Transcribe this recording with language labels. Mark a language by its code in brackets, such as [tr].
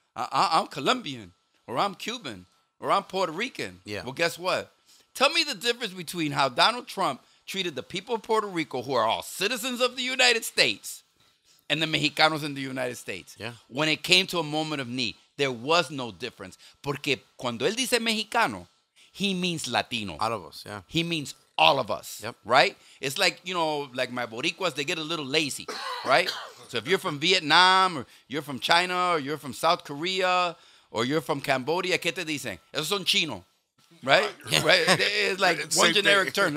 [en] I'm Colombian, or I'm Cuban, or I'm Puerto Rican. Yeah. Well, guess what? Tell me the difference between how Donald Trump treated the people of Puerto Rico, who are all citizens of the United States, and the Mexicanos in the United States. Yeah. When it came to a moment of need, there was no difference. [es] Porque cuando él dice Mexicano, [en] he means Latino. All of us, yeah. He means all of us, yep. Right? It's like, you know, like my Boricuas, they get a little lazy, right? So if you're from Vietnam, or you're from China, or you're from South Korea, or you're from Cambodia, [es] ¿qué te dicen? Esos son chino, [en] right? Right? It's like one generic term.